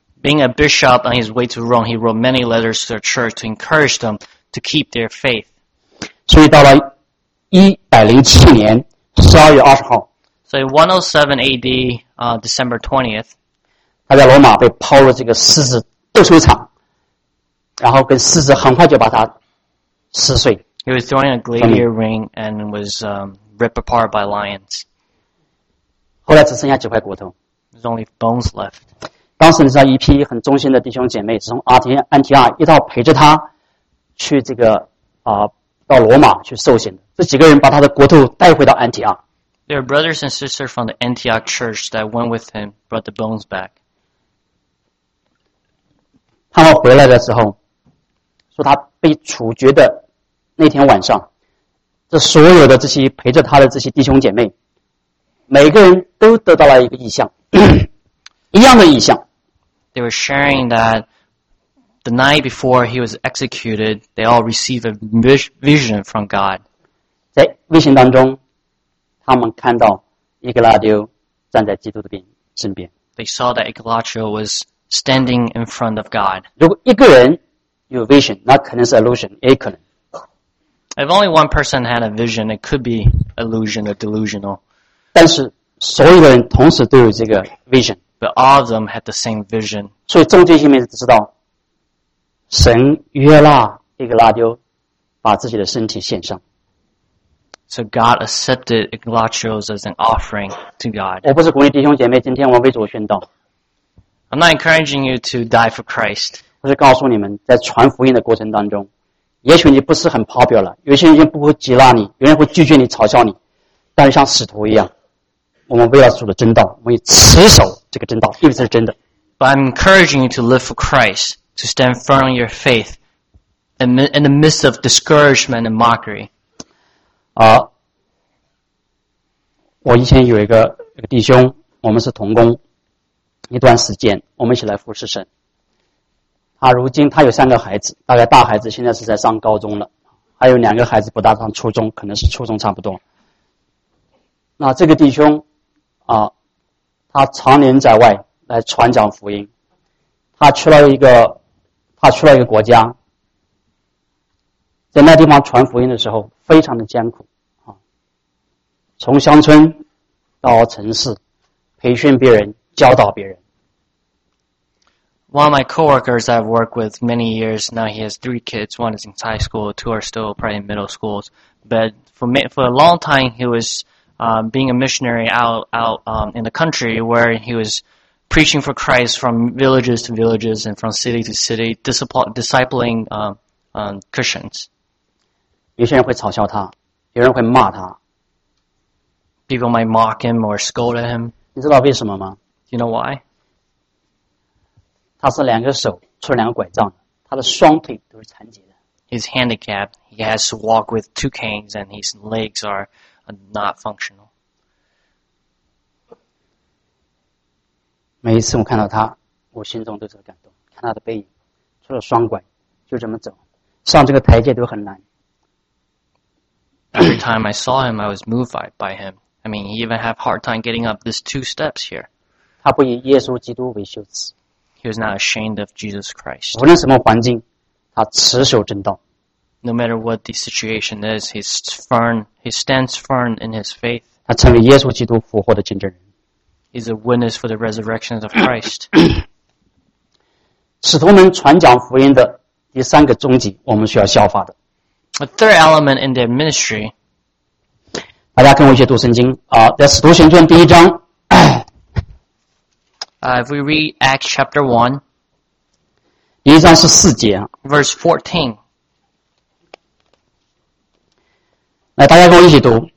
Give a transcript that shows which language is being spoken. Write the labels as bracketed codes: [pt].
[en] Being a bishop on his way to Rome, he wrote many letters to the church to encourage them to keep their faith. [zh] 所以到了107年12月20号。 [en] So in 107 AD, December 20th, [zh] 他在罗马被抛入这个狮子斗兽场，然后跟狮子很快就把他撕碎。 [en] He was throwing a gladiator ring and was ripped apart by lions. [zh] 后来只剩下几块骨头。 [en] There's only bones left. [zh] 当时你知道一批很忠心的弟兄姐妹是从阿提安提亚一道陪着他去这个到罗马去受刑的。这几个人把他的骨头带回到安提亚。 [en] There are brothers and sisters from the Antioch church that went with him, brought the bones back. [zh] 他们回来的时候说他被处决的那天晚上，这所有的这些陪着他的这些弟兄姐妹每个人都得到了一个异象。一样的意象。 [en] They were sharing that the night before he was executed, they all received a vision from God. [zh] 在 vision 当中，他们看到伊格拉丢站在基督的身边。 [en] They saw that Eglatio was standing in front of God. [zh] 如果一个人有 vision, 那可能是 illusion, 也可能。 [en] If only one person had a vision, it could be illusion or delusional. [zh] 但是所有的人同时都有这个 vision。 [en] But all of them had the same vision. [zh] 所以众弟兄们知道，神悦纳伊格拉丢把自己的身体献上。 [en] So God accepted Eglatios as an offering to God. [zh] 我不是鼓励弟兄姐妹今天我为主殉道。 [en] I'm not encouraging you to die for Christ. [zh] 我是告诉你们，在传福音的过程当中，也许你不是很 popular， 有些人不会接纳你，有人会拒绝你、嘲笑你，但是像使徒一样。我们为了主的真道，我们持守这个真道，因为这是真的。 [en] But I'm encouraging you to live for Christ, to stand firm in your faith, in the midst of discouragement and mockery. [zh] 我以前有一个弟兄，我们是同工，一段时间，我们一起来服侍神。他如今他有三个孩子，大概大孩子现在是在上高中了，还有两个孩子不大上初中，可能是初中差不多。那这个弟兄。他常年在外来传讲福音，他去了一个国家，在那地方传福音的时候非常的艰苦，从乡村到城市培训别人教导别人。 [en] One of my co-workers I've worked with many years now, he has three kids, one is in high school, two are still probably in middle schools, but for a long time he wasbeing a missionary out in the country where he was preaching for Christ from villages to villages and from city to city, discipling Christians. [zh] 有些人会嘲笑他，有人会骂他。 [en] People might mock him or scold at him. [zh] 你知道为什么吗？ [en] You know why? [zh] 他是两个手出了两个拐杖，他的双腿都是残疾的。 [en] He's handicapped. He has to walk with two canes and his legs are... not functional. [zh] 每一次我看到他，我心中都是感动。看他的背影，除了双拐，就这么走，上这个台阶都很难。 [en] Every time I saw him, I was moved by him. I mean, he even had a hard time getting up these two steps here. [zh] 他不以耶稣基督为羞耻。 [en] He was not ashamed of Jesus Christ. [zh] 无论什么环境，他持守正道。 [en] No matter what the situation is, he's firm, he stands firm in his faith. [zh] 他成为耶稣基督复活的见证人。 [en] He's a witness for the resurrection of Christ. [zh] 使徒们传讲福音的第三个宗旨，我们需要效法的。 [en] A third element in their ministry. [zh] 大家跟我一起读圣经啊，在使徒行传第一章。 [en] If we read Acts chapter 1. [zh] 第一章是四节。 [en] Verse 14. [zh] 来，大家跟我一起读。